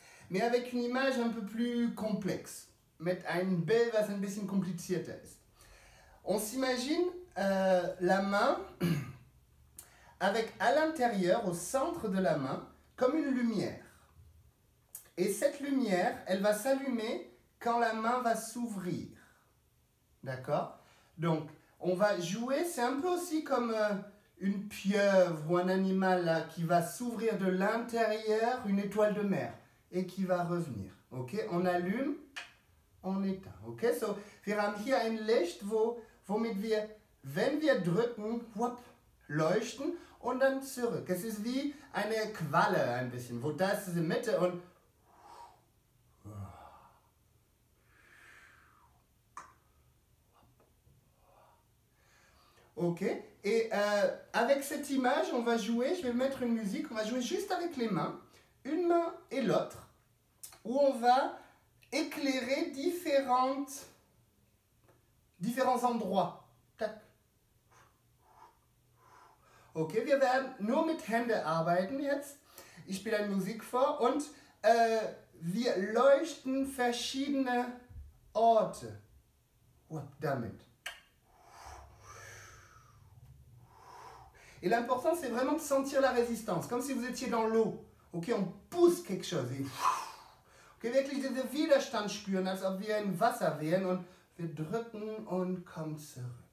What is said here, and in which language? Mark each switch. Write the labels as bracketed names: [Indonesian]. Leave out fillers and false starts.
[French] Mais avec une image un peu plus complexe. [German] Mit einem Bild, was ein bisschen komplizierter ist. [French] On s'imagine la main. Avec à l'intérieur, au centre de la main, comme une lumière. Et cette lumière, elle va s'allumer quand la main va s'ouvrir. D'accord? Donc, on va jouer, c'est un peu aussi comme une pieuvre ou un animal là, qui va s'ouvrir de l'intérieur, une étoile de mer, et qui va revenir. Ok? On allume, on éteint. Ok? [German] So, wir haben hier ein Licht, womit wir, wenn wir drücken, whoop, leuchten und dann zurück. Es ist wie eine Qualle ein bisschen. Wo da ist diese Mitte und ok. [French] Et avec cette image, on va jouer, je vais mettre une musique, on va jouer juste avec les mains, une main et l'autre, où on va éclairer différents endroits. [German] Okay, wir werden nur mit Händen arbeiten jetzt. Ich spiele eine Musik vor und wir leuchten verschiedene Orte. Whoop, damit. [French] Et l'important, c'est vraiment de sentir la résistance, comme si vous étiez dans l'eau. Okay, on pousse quelque chose. [German] Et, okay, wirklich diesen Widerstand spüren, als ob wir im Wasser wären und wir drücken und kommen zurück.